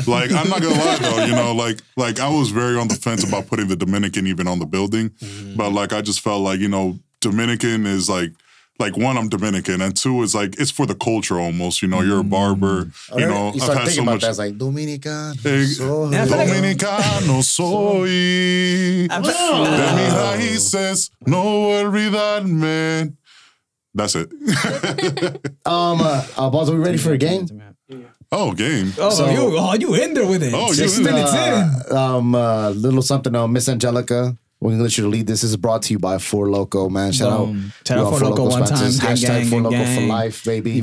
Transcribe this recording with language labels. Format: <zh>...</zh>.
<en>Like, I'm not going to lie, though. You know, like I was very on the fence about putting the Dominican even on the building. Mm. But like, I just felt like, you know, Dominican is like, one, I'm Dominican, and two, it's like, it's for the culture almost, you know, you're a barber, you know. You start thinking so about that, it's like,</en> <es>Dominicano soy, de mis raíces, no olvidarme.</es> <en>That's it. Boss, are we ready for a game? Oh, game. Oh, so, you in there with it. Oh, you in there. Little something on Miss Angelica. We're going to let you lead. This is brought to you by 4Loko, man. Shout out. Shout out 4Loko one time. Hashtag 4Loko for life, baby.</en>